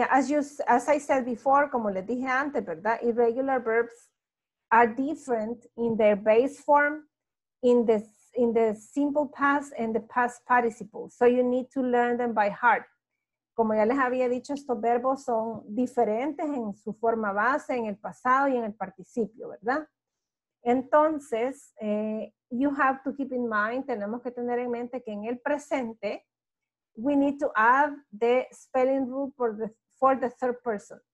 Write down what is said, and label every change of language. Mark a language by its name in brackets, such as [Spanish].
[English] As I said before, [Spanish] como les dije antes, ¿verdad? [English] Irregular verbs are different in their base form, in the simple past and the past participle. So you need to learn them by heart. [Spanish] Como ya les había dicho, estos verbos son diferentes en su forma base, en el pasado y en el participio, ¿verdad? [English] Entonces, you have to keep in mind, [Spanish] tenemos que tener en mente que en el presente, [English] we need to add the spelling rule for the third person.